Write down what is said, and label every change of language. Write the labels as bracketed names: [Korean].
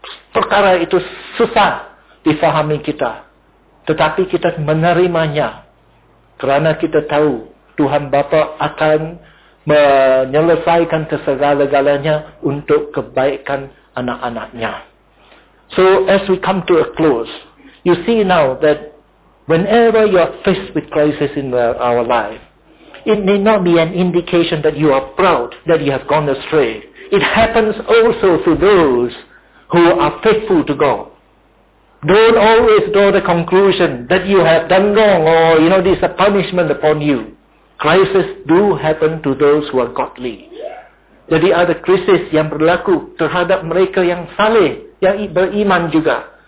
[Malay] Perkara itu susah difahami kita. Tetapi kita menerimanya kerana kita tahu Tuhan Bapa akan menyelesaikan segala-galanya untuk kebaikan anak-anaknya. [English] So as we come to a close, you see now that whenever you are faced with crisis in our life, it may not be an indication that you are proud that you have gone astray. It happens also to those who are faithful to God. Don't always draw the conclusion that you have done wrong or you know this is a punishment upon you. Crisis do happen to those who are godly. [Malay] Jadi ada krisis yang berlaku terhadap mereka yang saleh, yang beriman juga.